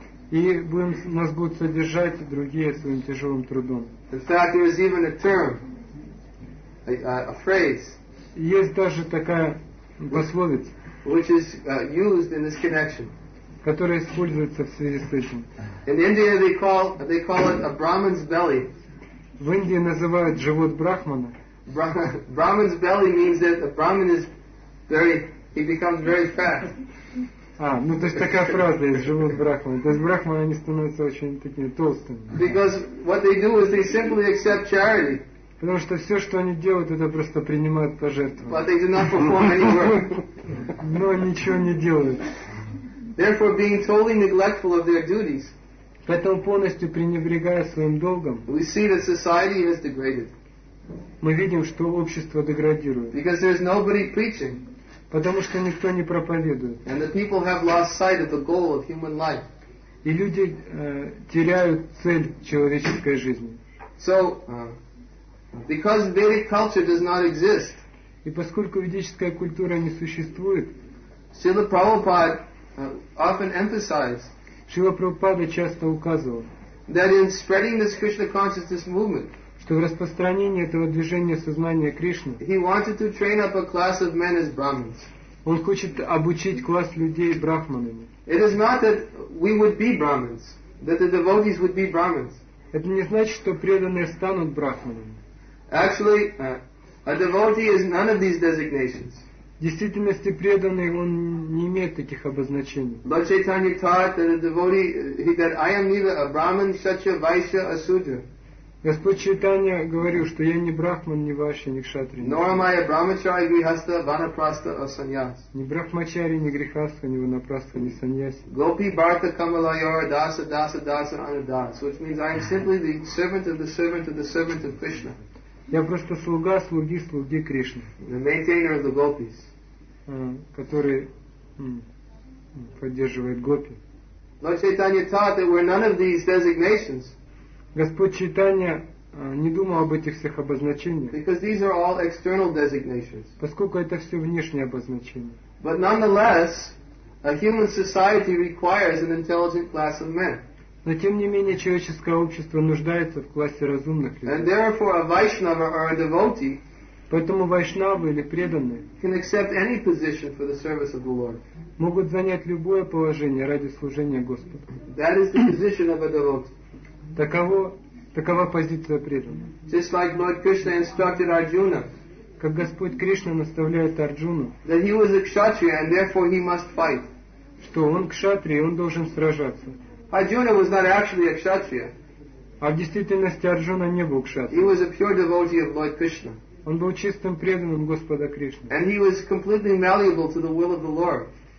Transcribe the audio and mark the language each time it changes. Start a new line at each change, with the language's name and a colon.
Russian: И нас будут содержать другие своим тяжелым трудом.
English: In fact, there is even a term, a phrase,
Russian: есть даже такая пословица,
English: which is used in this connection,
Russian: которая используется в связи с этим.
English: In India, they call it a Brahmin's belly.
Russian: В Индии называют живот брахмана.
English: Brahmin's belly means that the Brahmin is very, he becomes very fat.
Russian: То есть такая фраза есть, живот брахмана. То есть брахманы, они становятся очень такими толстыми.
English: Because what they do is they simply accept charity.
Russian: Потому что все, что они делают, это просто принимают пожертвования.
English: But they do not perform any work.
Russian: Но ничего не делают.
English: Therefore, being totally neglectful of their duties,
Russian: поэтому полностью пренебрегая своим долгом,
English: we see that society has degraded.
Russian: мы видим, что общество деградирует.
English: Because there's nobody preaching.
Russian: Потому что никто не проповедует.
English: And the people have lost sight of the goal of human life.
Russian: И люди теряют цель человеческой жизни.
English: So, because Vedic culture does not exist.
Russian: И поскольку ведическая культура не существует,
English: Srila Prabhupada often emphasized.
Russian: Шрила Прабхупада часто указывал.
English: That in spreading this Krishna consciousness movement.
Russian: Что в распространении этого движения сознания Кришны.
English: He wanted to train up a class of men as brahmins.
Russian: Он хочет обучить класс людей брахманами.
English: It is not that we would be brahmins, that the devotees would be brahmins.
Russian: Это не значит, что преданные станут брахманами.
English: Actually, a devotee is none of these designations.
Russian: В действительности преданный он не имеет таких обозначений.
English: Lord Chaitanya taught that a devotee that I am neither a brahmin, kshatriya, vaishya, or sudra.
Russian: Господь Чайтанья говорил, что я не брахман, не вайшья, не кшатри.
English: Nor am I a brahmachari, grihastha, vanaprastha, or sannyas.
Russian: Ни брахмачари, ни грихастха, ни ванапрастха, ни саньяси.
Sanskrit: Gopi bartha kamalayora dasa dasa dasa anadas,
English: which means I am simply the servant of the servant of the servant of Krishna.
Russian: Я просто слуга слуги слуги Кришны.
English: The maintainer of the gopis.
Russian: Который поддерживает гопи.
English: Lord Chaitanya taught that we're none of these designations.
Russian: Господь Чайтанья не думал об этих всех обозначениях.
English: Because these are all external designations.
Russian: Поскольку это все внешние обозначения.
English: But nonetheless, a human society requires an intelligent class of men.
Russian: Но тем не менее человеческое общество нуждается в классе разумных людей.
English: And therefore a Vaishnava or a devotee.
Russian: Поэтому вайшнавы или преданные
English: can accept any position for the service of the Lord.
Russian: Могут занять любое положение ради служения Господу.
English: That is the position of a devotee.
Russian: Такова позиция преданного.
English: Just like Lord Krishna instructed Arjuna.
Russian: Как Господь Кришна наставляет Арджуну.
English: That he was a kshatriya and therefore he must fight.
Russian: Что он кшатрия, он должен сражаться.
English: Arjuna was not actually a kshatriya.
Russian: А в действительности Арджуна не был кшатрия.
English: He was a pure devotee of Lord Krishna.
Russian: Он был чистым преданным Господа Кришны.
English: And he was completely malleable to the will of the Lord.